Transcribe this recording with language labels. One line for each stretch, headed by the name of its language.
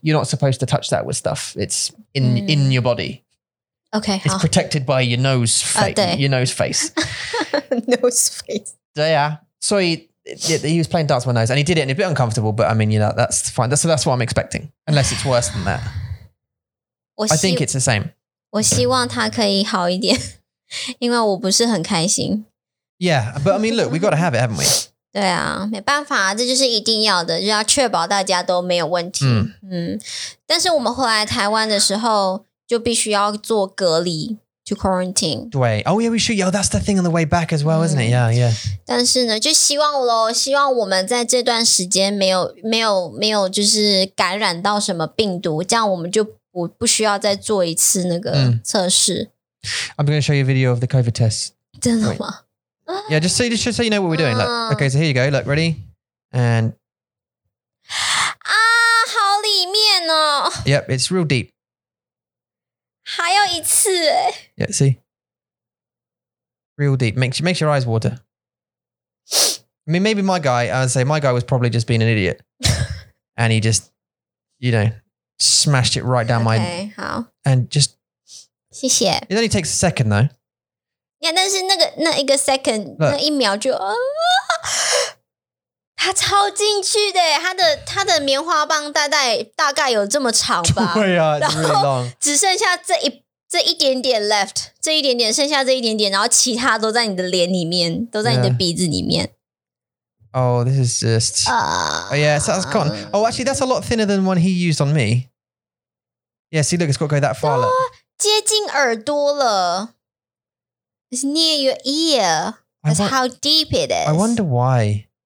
English: You're not supposed to touch that with stuff. It's in your body. Okay. It's protected by your nose, your nose face. Nose face. So, yeah. So he was playing darts with my nose and he did it and a bit uncomfortable, but I mean, you know, that's fine. So that's what I'm expecting. Unless it's worse than that. I think it's the same.
Chinese: 我希望他可以好一点因为我不是很开心。
English: Yeah, but I mean, look, we've got to have it, haven't we?
Chinese: 对啊，没办法，这就是一定要的，就要确保大家都没有问题。但是我们回来台湾的时候，就必须要做隔离
English: to quarantine. 对 ，Oh yeah, we should. Oh, that's the thing on the way back as well, isn't it? Yeah, yeah.
Chinese: 但是呢，就希望咯，希望我们在这段时间没有就是感染到什么病毒，这样我们就不需要再做一次那个测试。
English: I'm going to show you a video of the COVID test.
Chinese: 真的吗？
English: Yeah, just so you know what we're doing. Look, okay, so here you go. Look, ready? And...
Chinese: Ah, 好里面哦。
English: Yep, it's real deep.
Chinese: 还有一次耶。
English: Yeah, see? Real deep. Makes your eyes water. I mean, maybe my guy, I would say my guy was probably just being an idiot. And he just, you know, smashed it right down my... Okay, 好。 And just...
Chinese: 谢谢。
English: It only takes a second, though.
Chinese: Yeah, 但是那一个 second, 那一秒就、啊、他超进去的，他的棉花棒大概有这么长吧？对啊，然后只剩下这一点点 left， 这一点点剩下这一点点，然后其他都在你的脸里面，都在你的鼻子里面。
English: Oh, this is just. Oh, yeah, so that's gone. Oh, actually, that's a lot thinner than one he used on me. Yeah, see, look, it's got to go that far.
Chinese: 接近耳朵了。
English: It's near your ear. That's how deep it is. I wonder why.